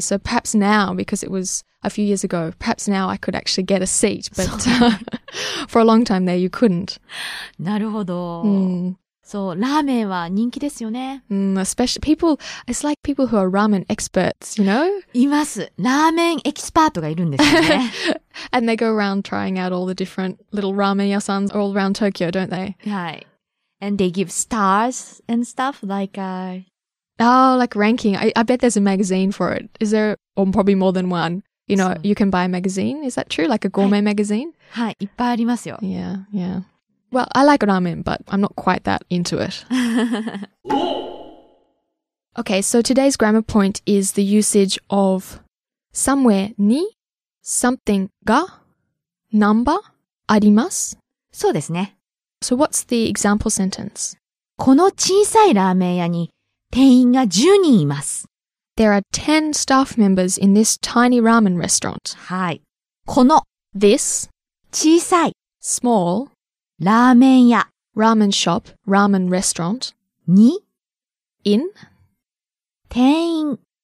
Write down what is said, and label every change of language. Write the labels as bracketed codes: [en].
[en] So perhaps now, because it was a few years ago, perhaps now I could actually get a seat. But for a long time there, you couldn't. [ja] なるほど。So, ラーメンは人気ですよね。 [en] Especially people, it's like people who are ramen experts, you know? [ja] います。ラーメンエキスパートがいるんですよね。 [en] And they go around trying out all the different little ramen 屋さん all around Tokyo, don't they? はい。And they give stars and stuff like, Oh, like ranking. I bet there's a magazine for it. Is there, or probably more than one? You know, you can buy a magazine. Is that true? Like a gourmet magazine? [ja] はい、いっぱいありますよ。 [en] Yeah, yeah. Well, I like ramen, but I'm not quite that into it. Okay, so today's grammar point is the usage of somewhere に something が number あります。 [ja] そうですね。 [en] So what's the example sentence? [ja] この小さいラーメン屋に店員が10人います。 [en] There are 10 staff members in this tiny ramen restaurant. [ja] はい。この [en] this [ja] 小さい [en] small [ja] ラーメン屋 [en] ramen shop, ramen restaurant [ja] に [en] in [ja] 店員